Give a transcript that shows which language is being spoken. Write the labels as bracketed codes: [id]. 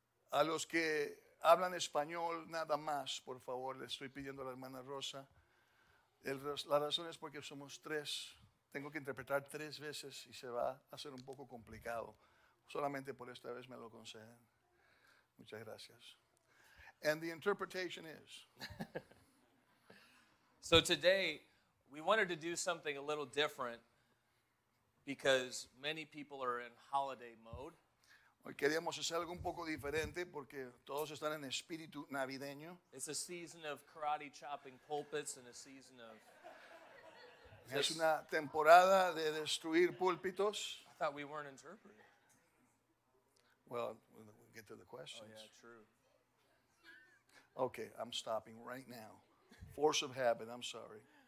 [es] A los que hablan español, nada más, por favor, le estoy pidiendo a la hermana Rosa. La razón es porque somos tres. Tengo que interpretar tres veces y se va a hacer un poco complicado. Solamente por esta vez me lo conceden. Muchas gracias. [en] And the interpretation is... So today, we wanted to do something a little different because many people are in holiday mode. [es] Hoy queríamos hacer algo un poco diferente porque todos están en espíritu navideño. [en] It's a season of karate chopping pulpits and a season of... [es] Es una temporada de destruir púlpitos. [en] I thought we weren't interpreting. Well, we'll get to the questions. Oh, yeah, true. Okay, I'm stopping right now. Force of habit, I'm sorry.